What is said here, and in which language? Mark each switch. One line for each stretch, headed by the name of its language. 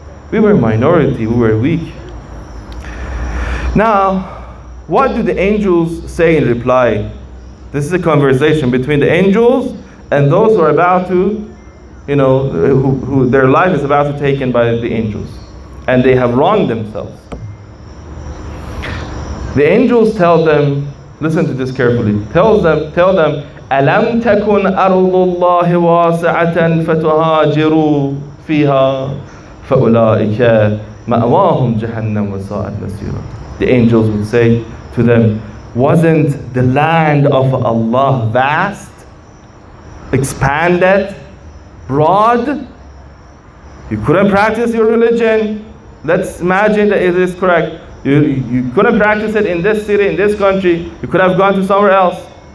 English: We were a minority, we were weak. Now, what do the angels say in reply? This is a conversation between the angels and those who are about to you know, who their life is about to be taken by the angels, and they have wronged themselves. The angels tell them,
Arabic: listen to this carefully, tell them, أَلَمْ تَكُنْ أَرْضُ اللَّهِ وَاسِعَةً فَتُهَاجِرُوا فِيهَا فَأُولَٰئِكَ مَأْوَاهُمْ جَهَنَّمْ وَسَاءَتْ مَسِيرًا.
English: The angels would say to them, wasn't the land of Allah vast, expanded, broad? You couldn't practice your religion. Let's imagine that it is correct. You couldn't practice it in this city, in this country. You could have gone to somewhere else.